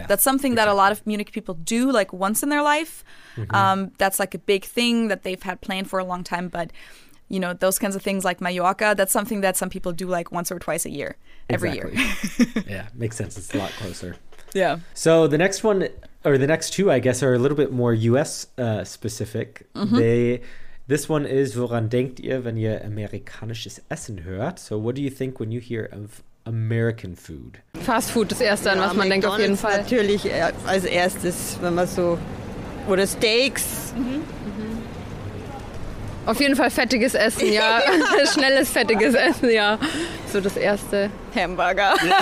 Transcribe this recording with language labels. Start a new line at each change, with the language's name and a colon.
English: That's something that a lot of Munich people do like once in their life. That's like a big thing that they've had planned for a long time, but you know, those kinds of things like Mallorca, that's something that some people do like once or twice a year, every year. Yeah, makes sense. It's a lot closer. Yeah. So the next one, or the next two, I guess, are a little bit more US specific. This one is,
German: woran denkt ihr, wenn ihr amerikanisches Essen hört?
English: So what do you think when you hear of American food?
German: Fast food, das Erste, an was man denkt auf jeden Fall. Natürlich als Erstes, wenn man so, oder Steaks. Auf jeden Fall fettiges Essen, ja. Schnelles, fettiges Essen, ja. So das Erste. Hamburger.